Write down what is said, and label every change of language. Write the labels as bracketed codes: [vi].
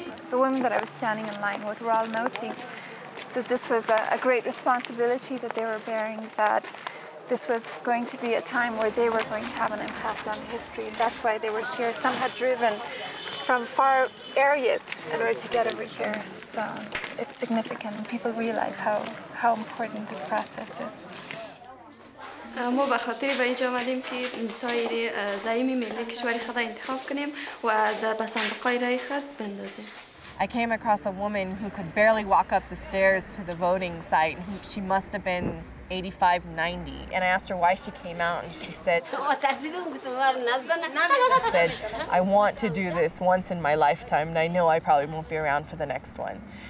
[en] The women that I was standing in line with were all noting that this was a great responsibility that they were bearing, that this was going to be a time where they were going to have an impact on history. That's why they were here. Some had driven from far areas in order to get over here. So it's significant, and people realize how important this process is. [fa] ما به خاطر به اینجا آمدیم که تایر زعیم ملی کشوری خدا انتخاب کنیم و به صندوقای رای خود بندازیم. [en] I came across a woman who could barely walk up the stairs to the voting site. She must have been 85, 90. And I asked her why she came out, and she said, I want to do this once in my lifetime, and I know I probably won't be around for the next one.